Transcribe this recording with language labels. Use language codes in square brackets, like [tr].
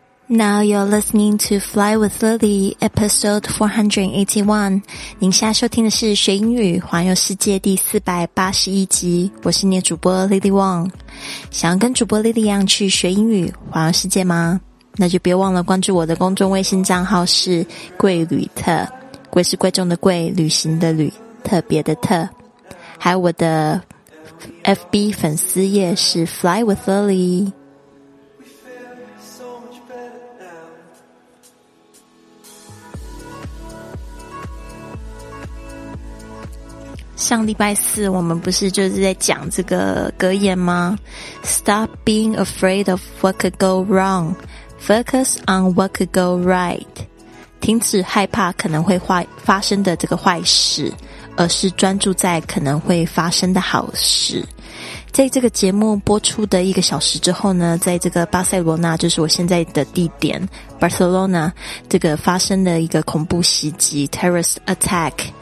[en] Now you're listening to Fly with Lily, episode 481. [zh] 您现在收听的是学英语环游世界第481集。我是你的主播 Lily Wong。想要跟主播 Lily 一样去学英语环游世界吗？那就别忘了关注我的公众微信账号是贵旅特。贵是贵重的贵，旅行的旅，特别的特。还有我的 FB 粉丝页是 Fly with Lily。上礼拜四我们不是就是在讲这个格言吗？ [en] Stop being afraid of what could go wrong. Focus on what could go right. [zh] 停止害怕可能会发生的这个坏事，而是专注在可能会发生的好事。在这个节目播出的一个小时之后呢，在这个巴塞罗那，就是我现在的地点 Barcelona， 这个发生了一个恐怖袭击 Terrorist Attack。